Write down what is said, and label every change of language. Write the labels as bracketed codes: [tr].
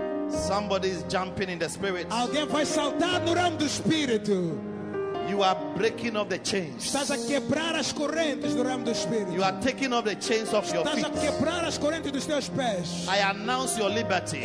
[en] Somebody is jumping in the spirit. [pt] Alguém vai saltar no ramo do espírito. [en] You are breaking off the chains. [pt] Estás a quebrar as correntes do ramo do espírito. [en] You are taking off the chains of your feet. [pt] Estás a quebrar as correntes dos teus pés. [en] I announce your liberty.